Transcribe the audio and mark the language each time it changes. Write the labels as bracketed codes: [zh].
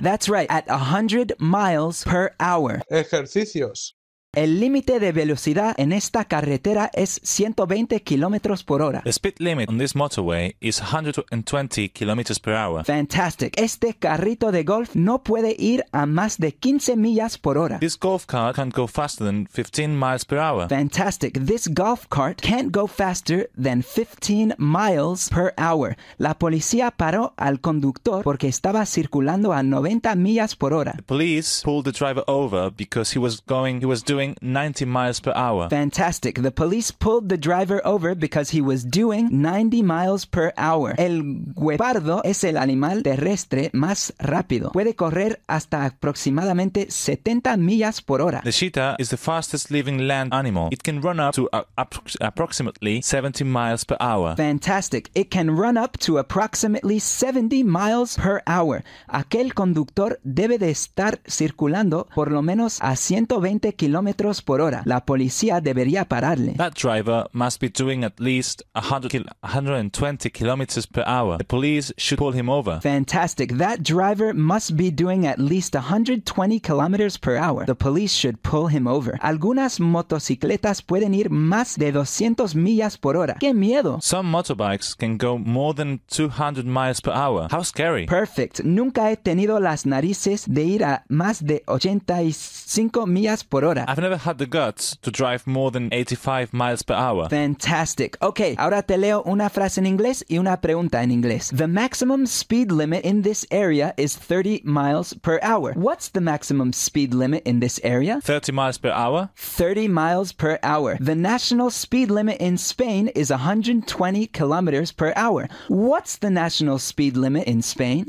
[en] That's right, at 100 miles per hour. [es] Ejercicios. El límite de velocidad en esta carretera es 120 kilómetros por hora. [en] The speed limit on this motorway is 120 kilómetros per hour. Fantastic. [es] Este carrito de golf no puede ir a más de 15 millas por hora. [en] This golf cart can't go faster than 15 miles per hour. Fantastic. This golf cart can't go faster than 15 miles per hour. [es] La policía paró al conductor porque estaba circulando a 90 millas por hora. [en] The police pulled the driver over because he was doing 90 miles per hour. Fantastic. The police pulled the driver over because he was doing 90 miles per hour. [es] El guepardo es el animal terrestre más rápido. Puede correr hasta aproximadamente 70 millas por hora. [en] The cheetah is the fastest living land animal. It can run up to approximately 70 miles per hour. Fantastic. It can run up to approximately 70 miles per hour. [es] Aquel conductor debe de estar circulando por lo menos a 120 kilómetros. Por hora. La policía debería pararle. [en] That driver must be doing at least 120 kilometers per hour. The police should pull him over. Fantastic. That driver must be doing at least 120 kilometers per hour. The police should pull him over. [es] Algunas motocicletas pueden ir más de 200 millas por hora. ¡Qué miedo! [en] Some motorbikes can go more than 200 miles per hour. How scary! Perfect. [es] Nunca he tenido las narices de ir a más de 85 millas por hora. [en] I've never had the guts to drive more than 85 miles per hour. Fantastic. [es] Okay, ahora te leo una frase en inglés y una pregunta en inglés. [en] The maximum speed limit in this area is 30 miles per hour. What's the maximum speed limit in this area? 30 miles per hour. 30 miles per hour. The national speed limit in Spain is 120 kilometers per hour. What's the national speed limit in Spain?